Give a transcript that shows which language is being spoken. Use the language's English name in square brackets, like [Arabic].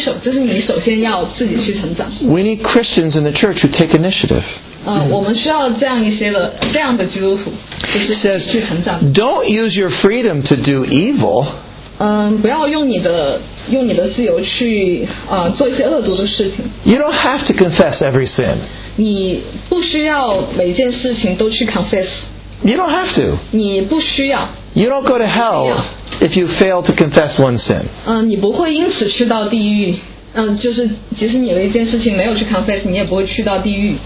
[Chinese] initial，就是你首先要自己去成长。 [English] We need Christians in the church who take initiative. [Chinese] 我们需要这样一些的基督徒。 [English] Says, don't use your freedom to do evil. [Chinese] 不要用你的自由去做一些恶毒的事情。 [English] You don't have to confess every sin. [Chinese] 你不需要每件事情都去 confess. [English] You don't have to. [Chinese] 你不需要。 [English] You don't go to hell if you fail to confess one sin. [Chinese] 你不会因此去到地狱，就是即使你有一件事情没有去confess，你也不会去到地狱。